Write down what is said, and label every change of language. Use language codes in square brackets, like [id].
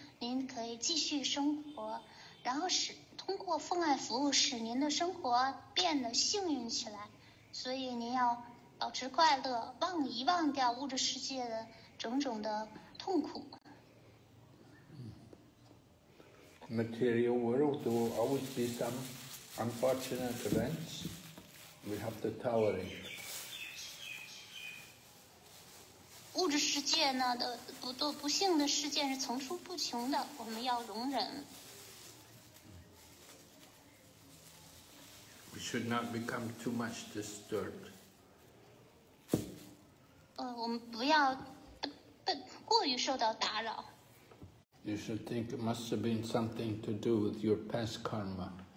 [zh] 您可以继续生活，然后使通过奉爱服务使您的生活变得幸运起来。所以您要保持快乐，遗忘掉物质世界的种种的痛苦。 [en] Material world, there will always be some unfortunate events. We have to tolerate. [zh] 物质世界呢的不幸的事件是层出不穷的，我们要容忍。 [en] We should not become too much disturbed. [zh] 我们不要过于受到打扰。 [en] You should think it must have been something to do with your past karma.